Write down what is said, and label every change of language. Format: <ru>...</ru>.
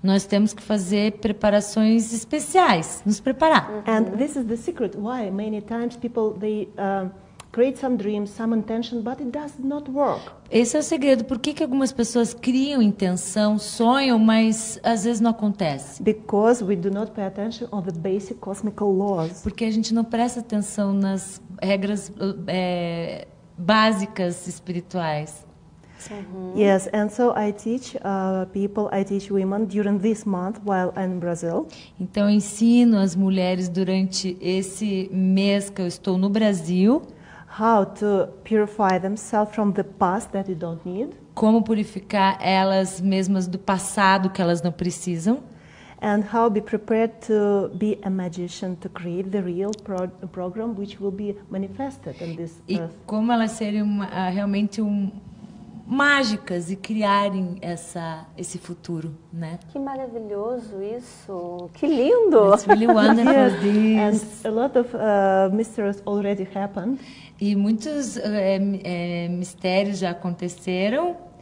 <pt>Nós temos que fazer preparações especiais, nos preparar. Mm-hmm.</pt> <en>And this is the secret why many times people they create some dreams, some intention, but it does not work.</en> <pt>Esse é o segredo. Por que que algumas pessoas criam intenção, sonham, mas às vezes não acontece?</pt> <en>Because we do not pay attention on the basic cosmical laws.</en> <pt>Porque a gente não presta atenção nas regras básicas espirituais. Uhum.</pt> <en>Yes, and so I teach people, I teach women during this month while I'm in Brazil.</en> <pt>Então eu ensino as mulheres durante esse mês que eu estou no Brasil.</pt> <en>How to purify themselves from the past that they don't need?</en> <pt>Como purificar elas mesmas do passado que elas não precisam?</pt> <en>And how be prepared to be a magician to create the real program which will be manifested in this</en> <pt>earth. E como elas serem realmente mágicas e criarem esse futuro, né? Que maravilhoso isso! Que lindo!</pt> <en>It's really wonderful. Yes. This. And a lot of mysteries already happened.</en> <pt>E muitos mistérios já aconteceram.</pt>